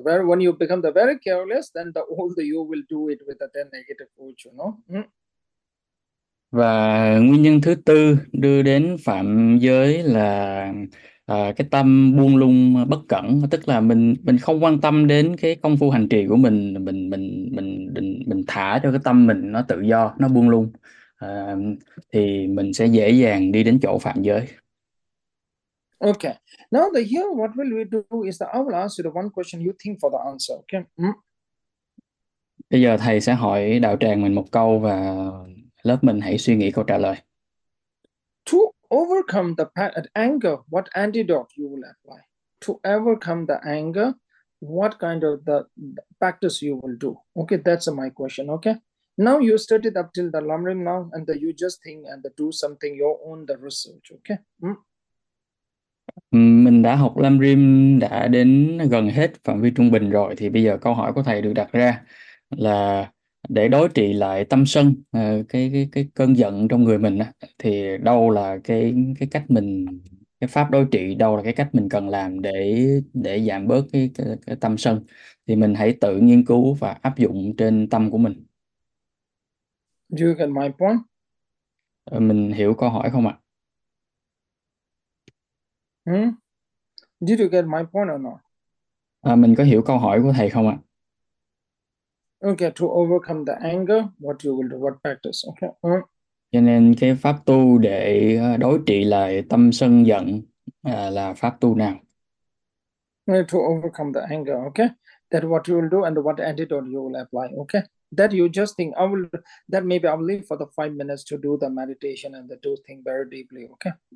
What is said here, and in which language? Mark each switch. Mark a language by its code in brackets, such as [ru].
[en] Very when you become the very careless, then the all the you will do it with the negative fortune, no? [vi] Và nguyên nhân thứ tư đưa đến phạm giới là cái tâm buông lung bất cẩn, tức là mình không quan tâm đến cái công phu hành trì của mình thả cho cái tâm mình nó tự do, nó buông lung, thì mình sẽ dễ dàng đi đến chỗ phạm giới. [en] Okay. Now the here, what will we do is that I will ask you the one question you think for the answer. Okay. [vi] Bây giờ thầy sẽ hỏi đạo tràng mình một câu và lớp mình hãy suy nghĩ câu trả lời. [en] To overcome the anger, what antidote you will apply? To overcome the anger, what kind of the practice you will do? Okay, that's my question. Okay. Now you studied up till the Lamrim now, and the, you just think and the, do something your own the research. Okay. [vi] Mình đã học lam rim đã đến gần hết phạm vi trung bình rồi, thì bây giờ câu hỏi của thầy được đặt ra là để đối trị lại tâm sân, cái cơn giận trong người mình á, thì đâu là cái cách mình, cái pháp đối trị đâu là cái cách mình cần làm để giảm bớt cái tâm sân, thì mình hãy tự nghiên cứu và áp dụng trên tâm của mình. [en] Do you get my [vi] Mình hiểu câu hỏi không ạ? [en] point? Did you get my point or not? [vi] Mình có hiểu câu hỏi của thầy không ạ? [en] Okay, to overcome the anger, what you will do, what practice? Okay. [vi] Cho nên cái pháp tu để đối trị lại tâm sân giận là pháp tu nào? [en] To overcome the anger, okay? That what you will do and what antidote you will apply, okay? That you just think I will that maybe I'll leave for the 5 minutes to do the meditation and the two think very deeply, okay?